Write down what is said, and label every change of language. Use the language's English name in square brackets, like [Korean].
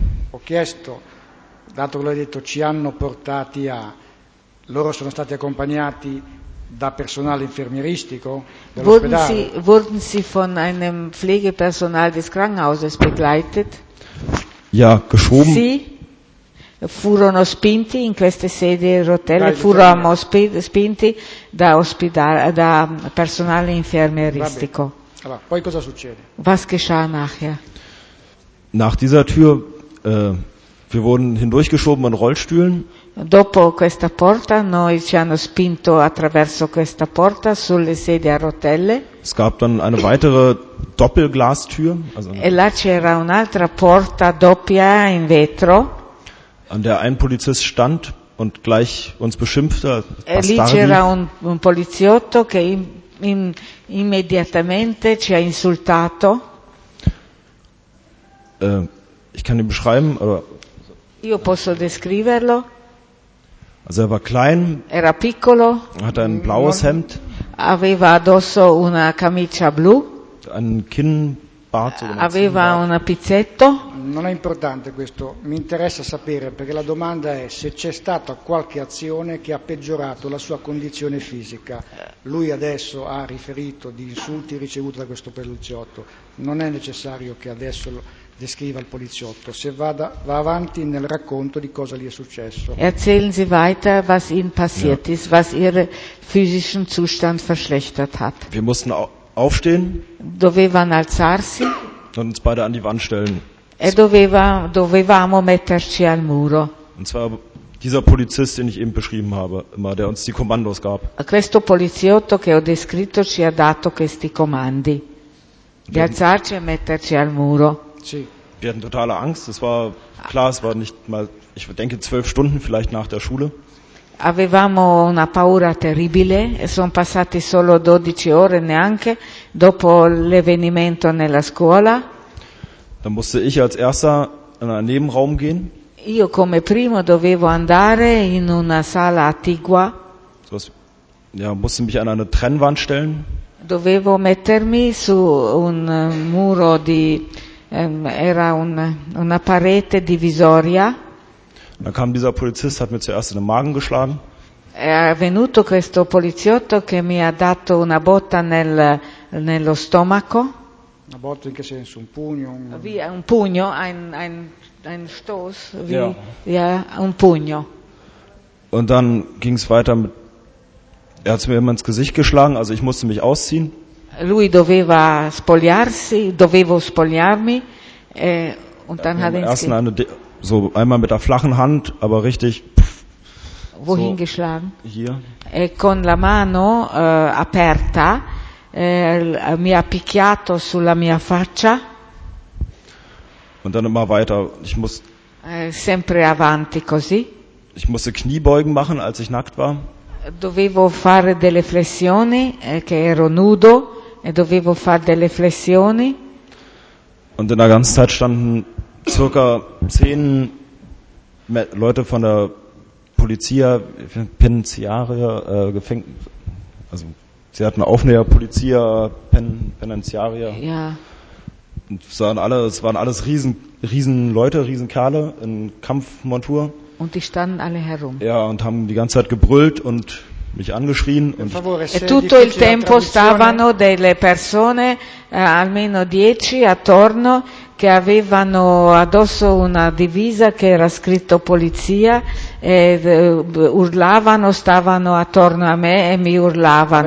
[Italian] ho chiesto, dato che l'hai detto, ci hanno portati a, loro sono stati accompagnati da personale infermieristico dell'ospedale. [German] Wurden sie von einem Pflegepersonal des Krankenhauses begleitet? Ja, geschoben. [Italian] Sì, furono spinti in queste sedie rotelle, furono spinti da ospedale, da personale infermieristico. Allora, poi cosa succede? [German] Was geschah nachher? Nach dieser Tür, wir wurden hindurchgeschoben in Rollstühlen. [Italian] Dopo questa porta, noi ci hanno spinto attraverso questa porta sulle sedie a rotelle. [German] Es gab dann eine weitere Doppelglastür. [Italian] Also e là c'era un'altra porta doppia in vetro. [German] An der ein Polizist stand und gleich uns beschimpfte. [Italian] E lì c'era un poliziotto che immediatamente ci ha insultato. [German] Ich kann ihn beschreiben, aber [Italian] io posso descriverlo. [German] Also er war klein. [Italian] Era piccolo. [German] Hatte ein blaues Hemd. [Italian] Aveva addosso una camicia blu. [German] Ein Kinnbart. [Italian] Aveva un pizzetto. Non è importante questo. Mi interessa sapere, perché la domanda è se c'è stata qualche azione che ha peggiorato la sua condizione fisica. Lui adesso ha riferito di insulti ricevuti da questo poliziotto. Non è necessario che adesso descriva il poliziotto. Se va avanti nel racconto di cosa gli è successo. [German] Erzählen Sie weiter, was Ihnen passiert ist, was Ihren physischen Zustand verschlechtert hat. Wir mussten aufstehen. [Italian] Dovevano alzarsi. [German] Und uns beide an die Wand stellen. [Italian] E dovevamo metterci al muro. [German] Und zwar dieser Polizist, den ich eben beschrieben habe, immer, der uns die Kommandos gab. [Italian] Questo poliziotto che ho descritto ci ha dato questi comandi. Di alzarci e metterci al muro. Sì. [German] Wir hatten totale Angst. Es war klar, es war nicht mal, ich denke, 12 Stunden vielleicht nach der Schule. [Italian] Avevamo una paura terribile. Sono passati solo 12 ore neanche dopo l'evenimento nella scuola. [German] Dann musste ich als erster in einen Nebenraum gehen. [Italian] Io come primo dovevo andare in una sala attigua. [German] Ja, musste mich an eine Trennwand stellen. [Italian] Dovevo mettermi su un muro di era una parete divisoria. [German] Dann kam dieser Polizist, hat mir zuerst in den Magen geschlagen. [Italian] È venuto questo poliziotto che mi ha dato una botta nello stomaco. Una botta in che senso? Un pugno? Un pugno, [German] ein Stoß. Wie, ja. [Italian] Ja, un pugno. [German] Und dann ging es weiter mit. Er hat mir immer ins Gesicht geschlagen, also ich musste mich ausziehen. [Italian] Lui doveva spogliarsi, dovevo spogliarmi. [German] Und dann hat er so einmal mit der flachen Hand, aber richtig. Wohin so geschlagen? Hier. [Italian] E con la mano aperta mi ha picchiato sulla mia faccia. [German] Und dann immer weiter. Ich muss. [Italian] Sempre avanti così. [German] Ich musste Kniebeugen machen, als ich nackt war. [Italian] Dovevo fare delle flessioni, che ero nudo. E dovevo fare delle flessioni. [German] Und in der ganzen Zeit standen circa 10 Leute von der Polizia, Penitenziaria, also sie hatten Aufnäher, Polizia, Penitenziaria. Ja. Und es waren alles riesen Leute, riesen Kerle in Kampfmontur. Und die standen alle herum. Ja, und haben die ganze Zeit gebrüllt und mich angeschrien und [Italian] e tutto il tempo stavano delle persone almeno 10 attorno che avevano addosso una divisa che era scritto polizia, e urlavano, stavano attorno a me e mi urlavano.